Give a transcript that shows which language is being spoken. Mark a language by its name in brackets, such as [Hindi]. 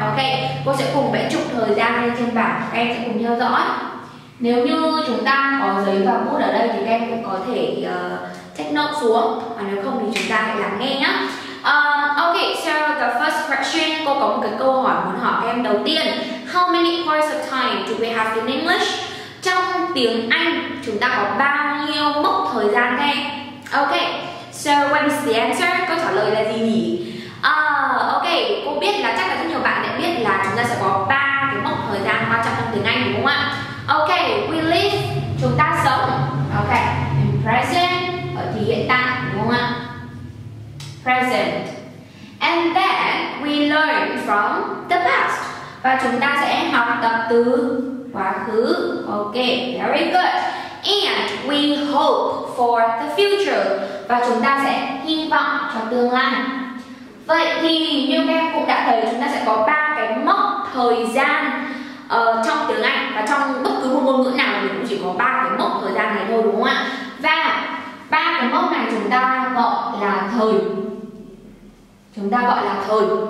[Vietnamese] Ok, cô sẽ cùng vẽ trục thời gian lên trên bảng, các em sẽ cùng theo dõi. Nếu như chúng ta có giấy và bút ở đây thì các em cũng có thể take note xuống, và nếu không thì chúng ta hãy lắng nghe nhé. [English] Ok, so the first question, [Vietnamese] cô có một cái câu hỏi muốn hỏi các em đầu tiên. [English] How many points of time do we have in English? [Vietnamese] Trong tiếng Anh chúng ta có bao nhiêu mốc thời gian các em? [English] Ok, so what is the answer? [Vietnamese] Câu trả lời là gì nhỉ? Ok, cô biết là chắc là rất nhiều bạn đã biết là chúng ta sẽ có 3 cái mốc thời gian quan trọng trong tiếng Anh, đúng không ạ? Ok, [English] we live, [Vietnamese] chúng ta sống. Ok, [English] in present, [Vietnamese] ở thì hiện tại, đúng không ạ? [English] Present. And then we learn from the past. [Vietnamese] Và chúng ta sẽ học tập từ quá khứ. [English] Ok, very good. And we hope for the future. [Vietnamese] Và chúng ta sẽ hy vọng cho tương lai. Vậy thì như các em cũng đã thấy, chúng ta sẽ có 3 cái mốc thời gian trong tiếng Anh. Và trong bất cứ một ngôn ngữ nào thì cũng chỉ có 3 cái mốc thời gian này thôi, đúng không ạ? Và 3 cái mốc này chúng ta gọi là thời. Chúng ta gọi là thời.